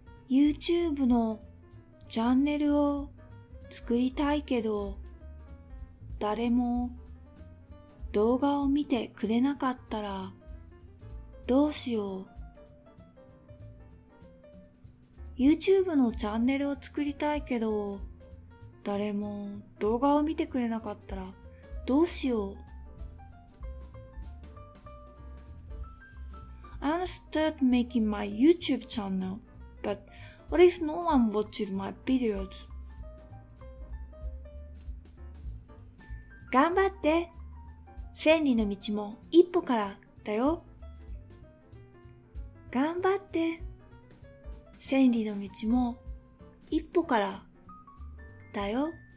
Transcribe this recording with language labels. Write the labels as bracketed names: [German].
[Japanese] YouTube のチャンネルを作りたいけど、誰も動画を見てくれなかったらどうしよう。 YouTube のチャンネルを作りたいけど、誰も動画を見てくれなかったらどうしよう。 [English] I'm start making my YouTube channel, but what if no one watches my videos? [Japanese] 頑張って。千里の道も一歩からだよ。頑張って。千里の道も一歩からだよ。